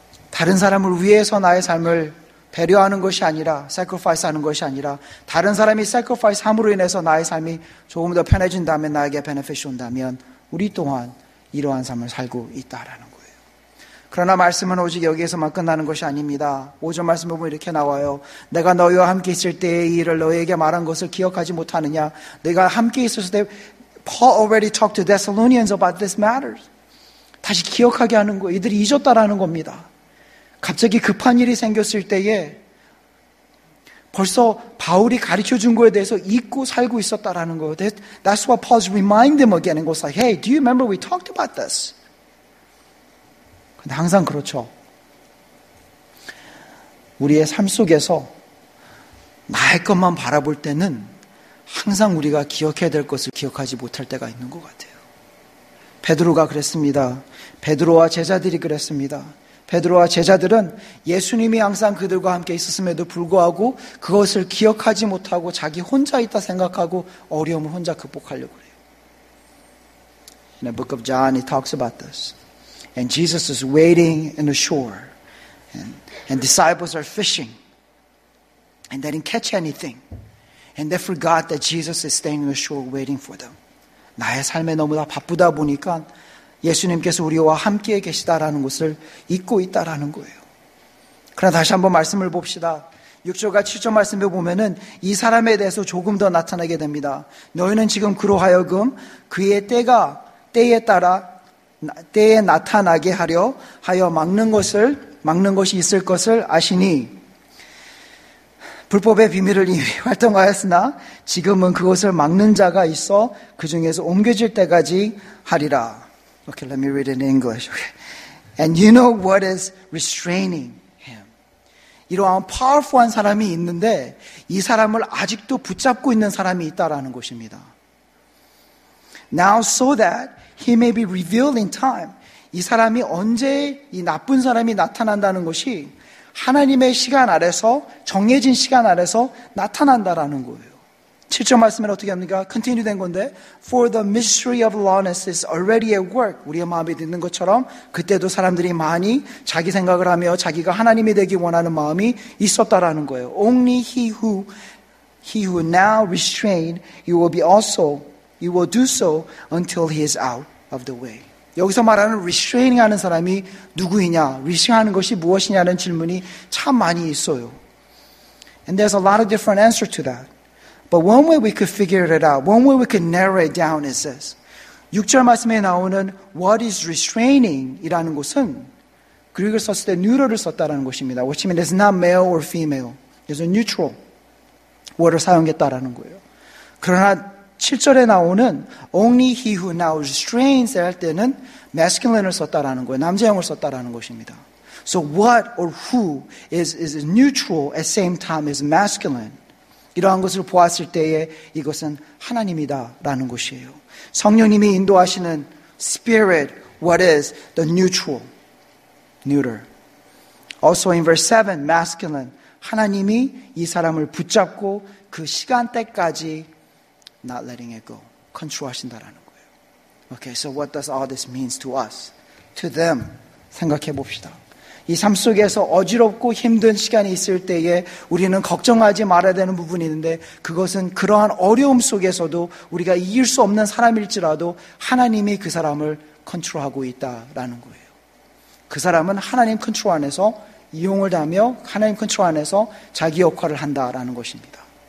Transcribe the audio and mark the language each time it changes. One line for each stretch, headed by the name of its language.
Korean: 다른 사람을 위해서 나의 삶을 배려하는 것이 아니라, sacrifice 하는 것이 아니라, 다른 사람이 sacrifice 함으로 인해서 나의 삶이 조금 더 편해진다면, 나에게 benefit이 온다면, 우리 또한 이러한 삶을 살고 있다라는 거예요. 그러나 말씀은 오직 여기에서만 끝나는 것이 아닙니다. 5절 말씀을 보면 이렇게 나와요. 내가 너희와 함께 있을 때 이 일을 너희에게 말한 것을 기억하지 못하느냐? 내가 함께 있었을 때,
English: Paul already talked to Thessalonians about this matter.
Korean: 다시 기억하게 하는 거예요. 이들이 잊었다라는 겁니다. 갑자기 급한 일이 생겼을 때에 벌써 바울이 가르쳐준 거에 대해서 잊고 살고 있었다라는 거예요.
English: That's what Paul's reminding them again. It was like, hey, do you remember we talked about this?
Korean: 근데 항상 그렇죠. 우리의 삶 속에서 나의 것만 바라볼 때는 항상 우리가 기억해야 될 것을 기억하지 못할 때가 있는 것 같아요. 베드로가 그랬습니다. 베드로와 제자들이 그랬습니다. 베드로와 제자들은 예수님이 항상 그들과 함께 있었음에도 불구하고 그것을 기억하지 못하고 자기 혼자 있다 생각하고 어려움을 혼자 극복하려고 그래요.
English: In the book of John, he talks about this. And Jesus is waiting in the shore. And disciples are fishing. And they didn't catch anything. And they forgot that Jesus is staying in the shore waiting for them.
Korean: 나의 삶에 너무나 바쁘다 보니까 예수님께서 우리와 함께 계시다라는 것을 잊고 있다라는 거예요. 그러나 다시 한번 말씀을 봅시다. 6절과 7절 말씀을 보면은 이 사람에 대해서 조금 더 나타나게 됩니다. 너희는 지금 그로 하여금 그의 때가 때에 따라 때에 나타나게 하려 하여 막는 것을 막는 곳이 있을 것을 아시니 불법의 비밀을 이미 활동하였으나 지금은 그것을 막는 자가 있어 그 중에서 옮겨질 때까지 하리라.
English: Okay, let me read it in English. Okay. And you know what is restraining him.
Korean: 이러한 powerful한 사람이 있는데 이 사람을 아직도 붙잡고 있는 사람이 있다라는 것입니다.
English: Now so that he may be revealed in time.
Korean: 이 사람이 언제 이 나쁜 사람이 나타난다는 것이 하나님의 시간 아래서 정해진 시간 아래서 나타난다라는 거예요. 7절 말씀을 어떻게 합니까? Continue 된 건데
English: For the mystery of lawlessness is already at work.
Korean: 우리의 마음이 듣는 것처럼 그때도 사람들이 많이 자기 생각을 하며 자기가 하나님이 되기 원하는 마음이 있었다라는 거예요.
English: Only he who now restrained you will be also you will do so until he is out of the way.
Korean: 여기서 말하는 restraining 하는 사람이 누구이냐? restraining 하는 것이 무엇이냐는 질문이 참 많이 있어요.
English: And there's a lot of different answers to that. But one way we could figure it out, one way we could narrow it down is this.
Korean: 6절 말씀에 나오는
English: what is restraining
Korean: 이라는 것은 그리고 썼을 때 neuter를 썼다라는 것입니다.
English: Which means it's not male or female. It's a neutral word을
Korean: 사용했다라는 거예요. 그러나 7절에 나오는
English: only he who now restrains
Korean: 할 때는 masculine을 썼다라는 거예요. 남자형을 썼다라는 것입니다.
English: So what or who is neutral at same time is masculine.
Korean: 이러한 것을 보았을 때에 이것은 하나님이다라는 것이에요. 성령님이 인도하시는
English: spirit, what is the neutral? Neuter. Also in verse 7, masculine.
Korean: 하나님이 이 사람을 붙잡고 그 시간대까지
English: not letting it go,
Korean: control 하신다라는 거예요.
English: Okay, so what does all this means to us? To them,
Korean: 생각해 봅시다. 이 삶 속에서 어지럽고 힘든 시간이 있을 때에 우리는 걱정하지 말아야 되는 부분이 있는데 그것은 그러한 어려움 속에서도 우리가 이길 수 없는 사람일지라도 하나님이 그 사람을 컨트롤하고 있다라는 거예요. 그 사람은 하나님 컨트롤 안에서 이용을 다하며 하나님 컨트롤 안에서 자기 역할을 한다라는 것입니다.